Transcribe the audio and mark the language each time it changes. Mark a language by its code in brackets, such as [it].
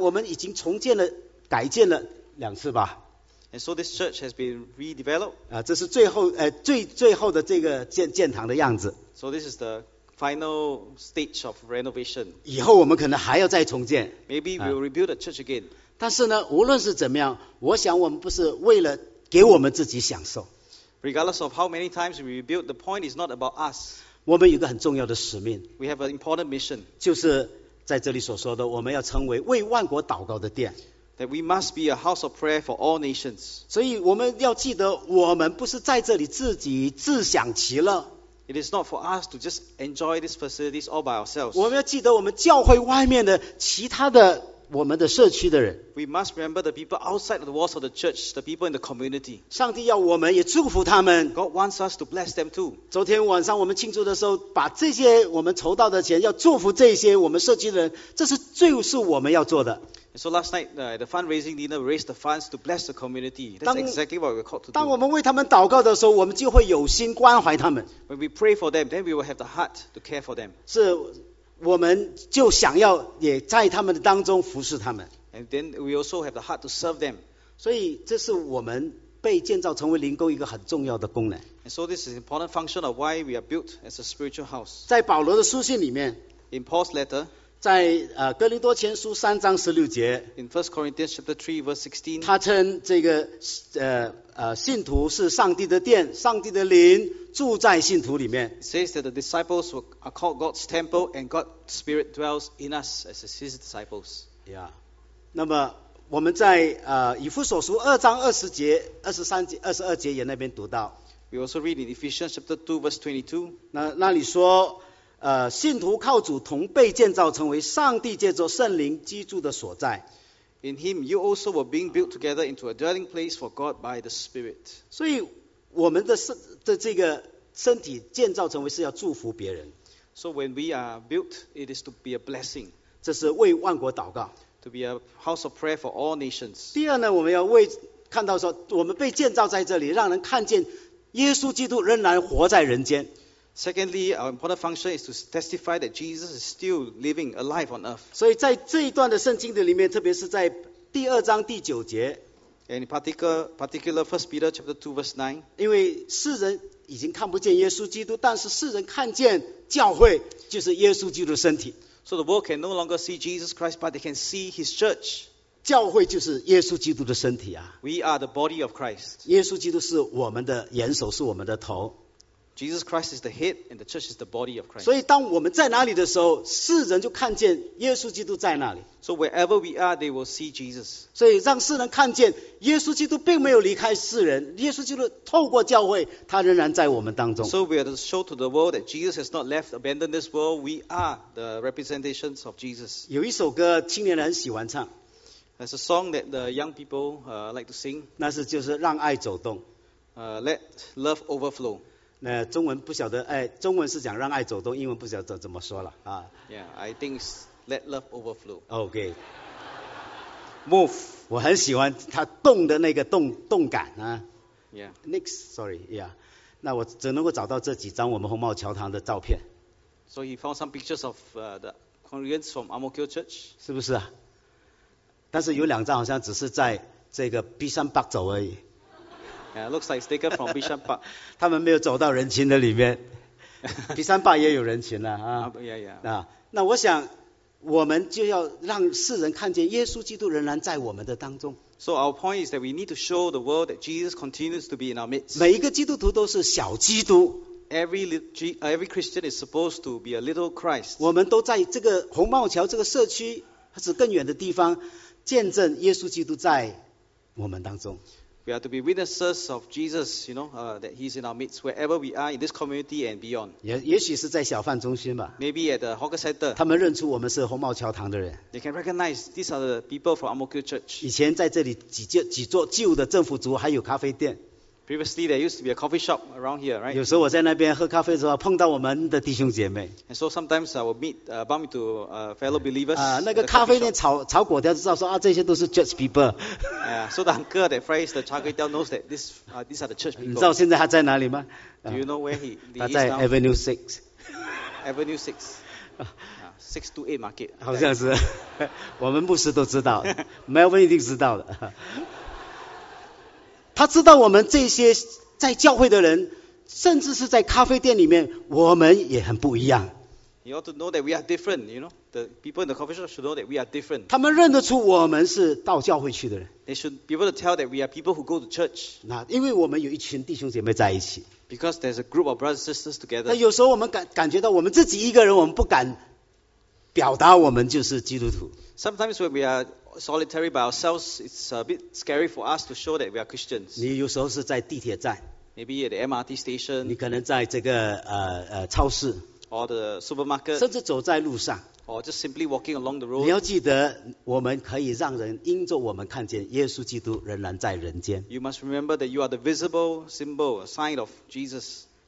[zh] 那么我们也看到说，我们这个礼拜堂我们已经重建了、改建了两次吧。 [en] And so this church has been redeveloped. [zh] 这是最后的这个建堂的样子。 [en] So this is the final stage of renovation. [zh] 以后我们可能还要再重建。 [en] Maybe we'll rebuild the church again. [zh] 但是呢，无论是怎么样，我想我们不是为了给我们自己享受。 [en] Regardless of how many times we rebuild, the point is not about us. [zh] 我们有一个很重要的使命。 [en] We have an important mission. [zh] 就是在这里所说的，我们要成为为万国祷告的殿。 [en] That we must be a house of prayer for all nations. [zh] 所以我们要记得，我们不是在这里自己自享其乐。 [en] It is not for us to just enjoy these facilities all by ourselves. [zh] 我们要记得我们教会外面的其他的我们的社区的人。 [en] We must remember the people outside the walls of the church, the people in the community. [zh] 上帝要我们也祝福他们。 [en] God wants us to bless them too. [zh] 昨天晚上我们庆祝的时候，把这些我们筹到的钱要祝福这些我们社区的人，这是最是我们要做的。 [en] So last night, the fundraising dinner raised the funds to bless the community. That's exactly what we're called to do. [zh] 当我们为他们祷告的时候，我们就会有心关怀他们。 [en] When we pray for them, then we will have the heart to care for them. [zh] 是，我们就想要也在他们的当中服侍他们。 [en] And then we also have the heart to serve them. [zh] 所以这是我们被建造成为灵宫一个很重要的功能。 [en] And so this is an important function of why we are built as a spiritual house. [zh] 在保罗的书信里面。 [en] In Paul's letter. [zh] 在哥林多前书三章十六节 [en] In 1 Corinthians chapter 3 verse 16, [zh] 他称这个信徒是上帝的殿上帝的灵住在信徒里面 [en] It says that the disciples are called God's temple and God's spirit dwells in us as his disciples Yeah. [zh] 那么我们在以弗所书二章二十节二十三节二十二节也那边读到 [en] We also read in Ephesians chapter 2 verse 22 [zh] 那里说信徒靠主同被建造成为上帝借着圣灵居住的所在。 [en] In him, you also were being built together into a dwelling place for God by the Spirit. [zh] 所以我们的这个身体建造成为是要祝福别人。 [en] So when we are built, it is to be a blessing. [zh] 这是为万国祷告。 [en] To be a house of prayer for all nations. [zh] 第二呢，我们要为看到说，我们被建造在这里，让人看见耶稣基督仍然活在人间。 [en] Secondly, our important function is to testify that Jesus is still living alive on earth. [zh] 所以在这一段的圣经的里面，特别是在第二章第九节 [en] ，and particular First Peter chapter 2 verse 9, [zh] 因为世人已经看不见耶稣基督，但是世人看见教会就是耶稣基督的身体。 [en] So the world can no longer see Jesus Christ, but they can see His church. [zh] 教会就是耶稣基督的身体啊。 [en] We are the body of Christ. [zh] 耶稣基督是我们的元首，是我们的头。 [en] Jesus Christ is the head and the church is the body of Christ. [zh] 所以当我们在哪里的时候，世人就看见耶稣基督在那里。 [en] So wherever we are, they will see Jesus. [zh] 所以让世人看见耶稣基督并没有离开世人，耶稣基督透过教会，他仍然在我们当中。 [en] So we are to show to the world that Jesus has not left, abandoned this world. We are the representations of Jesus. [zh] 有一首歌青年人喜欢唱。 [en] There's a song that the young people like to sing. [zh] 那是就是让爱走动。 [en] Let love overflow. [zh] 那中文不晓得，哎，中文是讲让爱走动，英文不晓得怎么说了啊。 [en] Yeah, I think it's let love overflow. Okay. Move. [zh] 我很喜欢它动的那个动感啊。 [en] Yeah. Next, sorry, yeah. [zh] 那我只能够找到这几张我们红帽教堂的照片。 [en] So he found some pictures of the congregants from Ang Mo Kio Church. [zh] 是不是啊？但是有两张好像只是在这个 Bishan Park 走而已。 [en] Yeah, looks like taken from Bishan Park. [zh] 他们没有走到人群的里面。 Bishan Park 也有人群了啊。 [en] Yeah, yeah. [zh] 那我想，我们就要让世人看见耶稣基督仍然在我们的当中。 [en] So our point is that we need to show the world that Jesus continues to be in our midst. [zh] 每一个基督徒都是小基督。 [en] Every Christian is supposed to be a little Christ. [zh] 我们都在这个红帽桥这个社区，或是更远的地方，见证耶稣基督在我们当中。 [en] We are to be witnesses of Jesus, you know, that He's in our midst, wherever we are in this community and beyond. [zh] 也许是在小贩中心吧。 [en] Maybe at the hawker center. [zh] 他们认出我们是红帽桥堂的人。 [en] They can recognize these are the people from Ang Mo Kio Church. [zh] 以前在这里几座旧的政府组还有咖啡店。 [en] Previously, there used to be a coffee shop around here, right? [zh] 有时候我在那边喝咖啡的时候，碰到我们的弟兄姐妹。 [en] And so sometimes I will meet, bump into fellow believers. [zh] 那个咖啡店炒果条，知道说啊，这些都是 [en] church people. So the uncle that fries the 炒果条 knows that these are the church people. [zh] 你知道现在他在哪里吗？ [en] Do you know where he is now? [zh] 他在 Avenue 6. [en] Avenue 6. 6 to 8 market. [zh] 好像是，我们牧师都知道，Melvin 一定知道的。他知道我们这些在教会的人，甚至是在咖啡店里面，我们也很不一样。 [en] You ought to know that we are different, you know. The people in the coffee shop should know that we are different. [zh] 他们认得出我们是到教会去的人。 [en] They should be able to tell that we are people who go to church. [zh] 那因为我们有一群弟兄姐妹在一起。 [en] Because there's a group of brothers and sisters together. [zh] 有时候我们感觉到我们自己一个人，我们不敢表达我们就是基督徒。 [en] Sometimes when we are solitary by ourselves, it's a bit scary for us to show that we are Christians. [zh] 你有时候是在地铁站。 [en] Maybe at the MRT station. [zh] 你可能在这个, 超市。 [en] Or the supermarket. [zh] 甚至走在路上。 [en] Or just simply walking along the road. [zh] 你要记得，我们可以让人因着我们看见耶稣基督仍然在人间。 [en] You must remember that you are the visible symbol, a sign of Jesus.